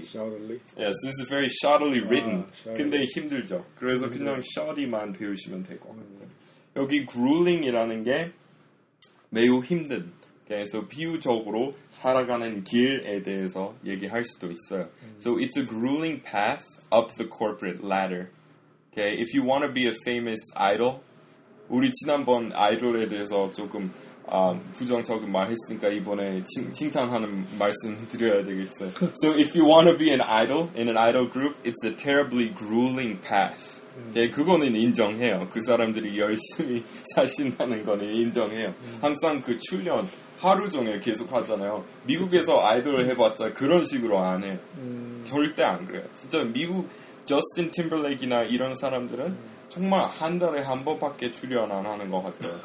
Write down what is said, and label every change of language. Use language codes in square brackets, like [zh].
[en] Shoddily. Yes, this is very shoddily written. [ko] 아, shoddily. 근데 힘들죠. 그래서 그냥 shoddy만 배우시면 되고. 여기 grueling이라는 게 매우 힘든. 그래서 비유적으로 살아가는 길에 대해서 얘기할 수도 있어요. [en] So it's a grueling path up the corporate ladder. Okay, if you want to be a famous idol, [ko] 우리 지난번 아이돌에 대해서 조금 부정적인 말했으니까 이번에 칭찬하는 말씀 드려야 되겠어요. [en] So if you want to be an idol in an idol group, it's a terribly grueling path. [ko] 네, 그거는 인정해요. 그 사람들이 열심히 사신다는 거는 인정해요. 항상 그 출연 하루 종일 계속 하잖아요. 미국에서 아이돌을 해봤자 그런 식으로 안 해. 절대 안 그래요. 진짜 미국 저스틴 팀벌레이크나 이런 사람들은 정말 한 달에 한 번밖에 출연 안 하는 것 같아요.